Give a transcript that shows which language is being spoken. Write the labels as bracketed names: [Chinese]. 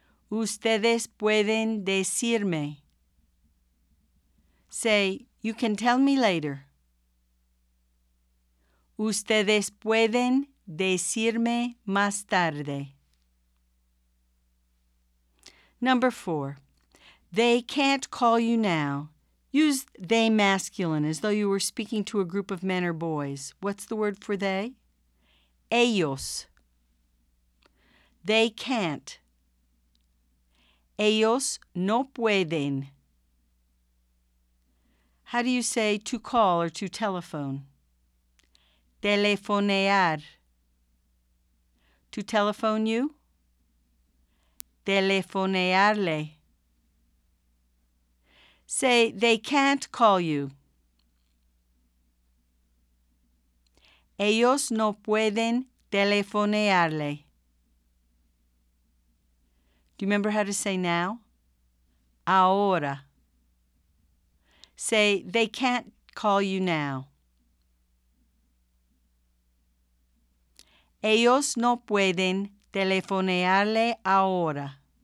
[Spanish] Ustedes pueden decirme. [English] Say, you can tell me later. [Spanish] Ustedes pueden decirme más tarde. [English] Number 4. They can't call you now. Use they masculine as though you were speaking to a group of men or boys. What's the word for they? Ellos. They can't. [Spanish] Ellos no pueden. [English] How do you say to call or to telephone? Telefonear. To telephone you? [Spanish] Telefonearle. [English] Say, they can't call you. [Spanish] Ellos no pueden telefonearle. [English] Do you remember how to say now? Ahora. Say, they can't call you now. [Spanish] Ellos no pueden telefonearle ahora.